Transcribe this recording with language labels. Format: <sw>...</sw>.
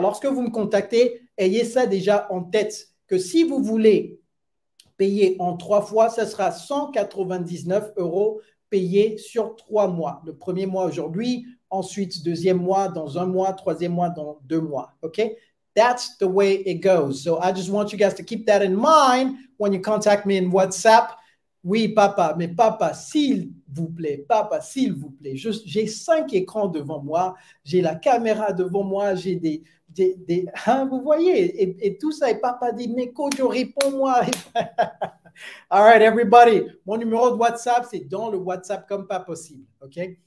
<fr>Lorsque vous me contactez, ayez ça déjà en tête, que si vous voulez payer en trois fois, ça sera 199 euros payés sur trois mois. Le premier mois aujourd'hui, ensuite deuxième mois dans un mois, troisième mois dans deux mois.</fr> <en>OK? That's the way it goes. So, I just want you guys to keep that in mind when you contact me in WhatsApp.</en> <fr>Oui, papa, mais papa, s'il vous plaît, papa, s'il vous plaît. J'ai cinq écrans devant moi, j'ai la caméra devant moi, j'ai des hein, vous voyez, et tout ça. Et papa dit, mais Kojo, réponds-moi.</fr> <en>All right, everybody,</en> <fr>mon numéro de WhatsApp, c'est dans le WhatsApp comme pas possible, OK?</fr>